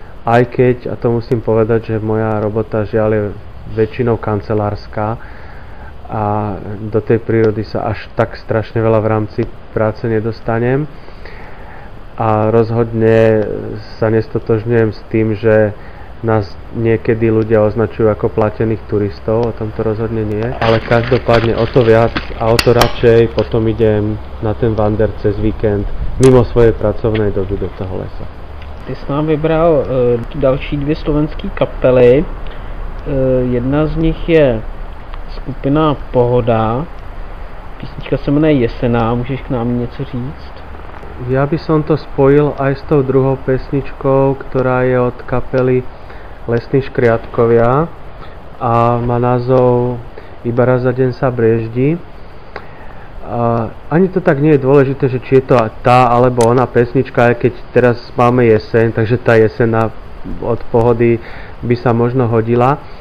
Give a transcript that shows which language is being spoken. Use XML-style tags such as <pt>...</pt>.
<sk>Aj keď, a to musím povedať, že moja robota žiaľ je väčšinou kancelárska a do tej prírody sa až tak strašne veľa v rámci práce nedostanem a rozhodne sa nestotožňujem s tým, že nás niekedy ľudia označujú ako platených turistov, o tom to rozhodne nie je, ale každopádne o to viac a o to radšej potom idem na ten vander cez víkend mimo svojej pracovnej doby do toho lesa.</sk> <cs>Ty si nám vybral další dvě slovenské kapely. Jedna z nich je skupina Pohoda. Písnička se jmenuje Jesená, můžeš k nám něco říct?</cs> <sk>Ja by som to spojil aj s tou druhou pesničkou, ktorá je od kapely Lesní škriatkovia a má názov Iba raz za deň sa brieždi. Ani to tak nie je dôležité, že či je to tá alebo ona pesnička, aj keď teraz máme jeseň, takže tá jesena od Pohody by sa možno hodila.</sk>